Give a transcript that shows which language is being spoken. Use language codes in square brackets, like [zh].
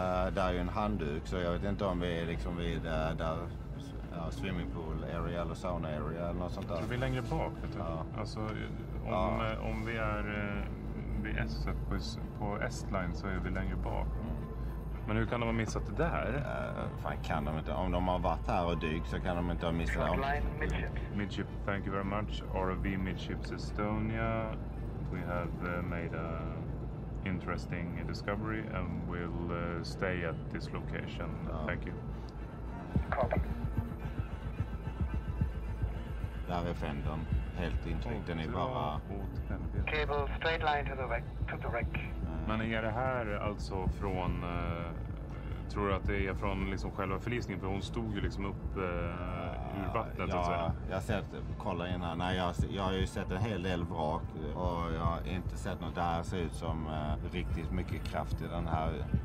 [sv] Där är ju en handduk, så jag vet inte om vi är liksom vid där, [en] swimmingpool area [sv] eller [en] sauna area [sv] eller något sånt där. Tror vi är längre bak, vet du? Ja. Alltså, om vi är vid S-set på S-line så är vi längre bak. Mm. Men hur kan de ha missat det där? Fan, kan de inte. Om de har varit här och dykt så kan de inte ha missat det. [en] Midship, thank you very much. ROV Midships Estonia. We have made a interesting discovery and we'll stay at this location. Ja. Thank you. [sv] Där är fendern. Helt intryckt. Den är bara... [en] Cable straight line to the wreck. [sv] Men är det här alltså från... tror du att det är från liksom själva förlisningen? För hon stod ju liksom upp ur vattnet. Ja, jag har sett, kolla in här. Nej, jag har ju sett en hel del vrak och jag har inte sett något. Det här ser ut som riktigt mycket kraft i den här.